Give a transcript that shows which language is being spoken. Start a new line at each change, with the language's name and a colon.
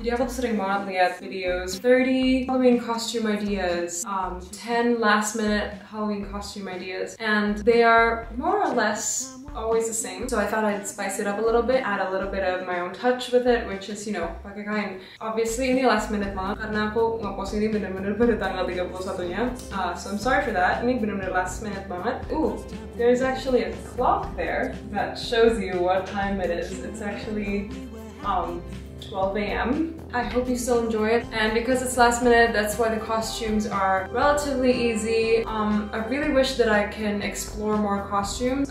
Indonesian: Dia aku sering banget lihat
English: videos 30 Halloween costume ideas, 10 last minute Halloween costume ideas, and they are more or less always the same. So I thought I'd spice it up a little bit, add a little bit of my own touch with it, which is, you know, pakai KAIN.
Indonesian: Obviously ini last minute banget karena aku ngepost ini bener-bener pada tanggal 31-nya.
English: So I'm sorry for that.
Indonesian: Ini bener-bener last minute banget.
English: Ooh, there's actually a clock there that shows you what time it is. It's actually 12 a.m. I hope you still enjoy it. And because it's last minute, that's why the costumes are relatively easy. I really wish that I can explore more costumes.